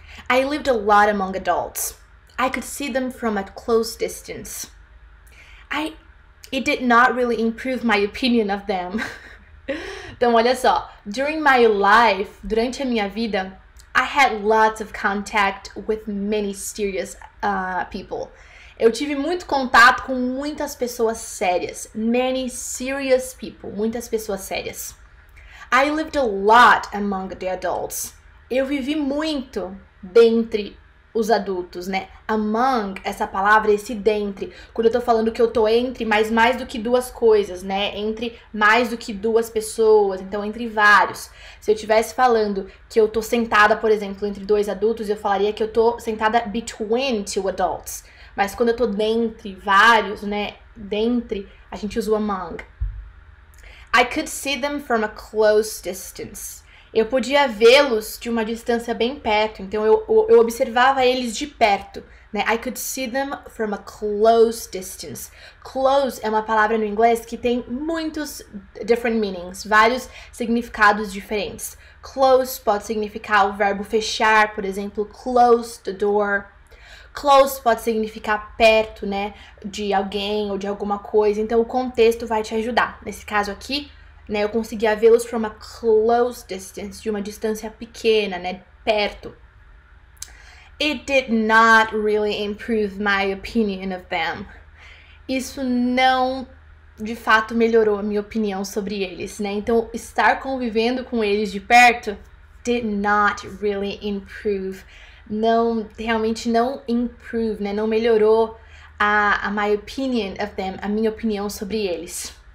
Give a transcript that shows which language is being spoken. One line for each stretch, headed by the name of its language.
English: I lived a lot among adults. I could see them from a close distance. It did not really improve my opinion of them.
Portuguese: Então, olha só.
English: During my life,
Portuguese: durante a minha vida,
English: I had lots of contact with many serious people.
Portuguese: Eu tive muito contato com muitas pessoas sérias.
English: Many serious people.
Portuguese: Muitas pessoas sérias.
English: I lived a lot among the adults.
Portuguese: Eu vivi muito dentre os adultos, né? Among, essa palavra, esse dentre. Quando eu tô falando que eu tô entre, mas mais do que duas coisas, né? Entre mais do que duas pessoas, então entre vários. Se eu estivesse falando que eu tô sentada, por exemplo, entre dois adultos, eu falaria que eu tô sentada
English: between two adults.
Portuguese: Mas quando eu tô dentre vários, né? Dentre, a gente usa o among.
English: I could see them from a close distance.
Portuguese: Eu podia vê-los de uma distância bem perto, então eu observava eles de perto, né?
English: I could see them from a close distance.
Portuguese: Close é uma palavra no inglês que tem muitos
English: different meanings,
Portuguese: vários significados diferentes. Close pode significar o verbo fechar, por exemplo,
English: close the door.
Portuguese: Close pode significar perto, né, de alguém ou de alguma coisa, então o contexto vai te ajudar. Nesse caso aqui, né, eu conseguia vê-los
English: from a close distance,
Portuguese: de uma distância pequena, né, perto.
English: It did not really improve my opinion of them.
Portuguese: Isso não, de fato, melhorou a minha opinião sobre eles, né? Então, estar convivendo com eles de perto
English: did not really improve.
Portuguese: Não, realmente não improve, né? Não melhorou a
English: my opinion of them,
Portuguese: a minha opinião sobre eles.